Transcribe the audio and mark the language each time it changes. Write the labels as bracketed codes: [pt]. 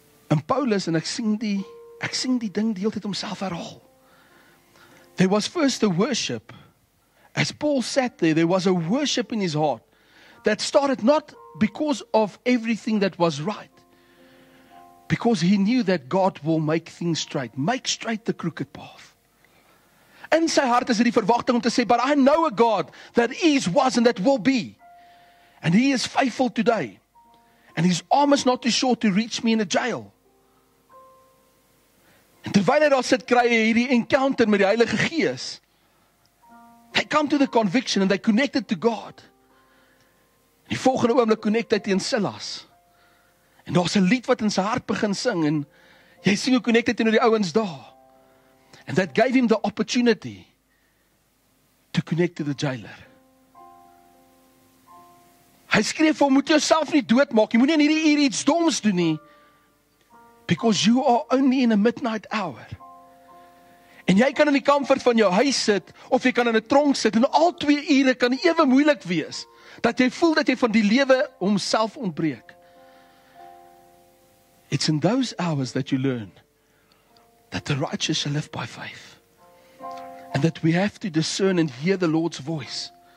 [af] En Paulus, en ek sing die ding die hele tyd homself herhaal. [en] There was first the worship. As Paul sat there, there was a worship in his heart that started not because of everything that was right, because he knew that God will make things straight. Make straight the crooked path. [af] In sy hart is dit die verwagting om te sê, [en] but I know a God that is, was, and that will be. And he is faithful today. And his arm is not too short to reach me in a jail. [af] En terwyl hy daar sit, kry hy hierdie encounter met die Heilige Gees. [en] They come to the conviction and they connected to God. [af] En die volgende oomblik connect hy teen Silas. En daar's 'n lied wat in sy hart begin sing en jy sien hoe connect hy teenoor die ouens daar. [en] And that gave him the opportunity to connect to the jailer. [af] Hy skreef vir hom, moet jouself nie doodmaak, jy moet nie in hierdie uur iets doms doen nie. [en] Because you are only in a midnight hour. [af] En jy kan in die comfort van jou huis sit, of jy kan in 'n tronk sit, en al twee ure kan ewe moeilik wees, dat jy voel dat jy van die lewe homself ontbreek. [en] It's in those hours that you learn that the righteous shall live by faith. And that we have to discern and hear the Lord's voice.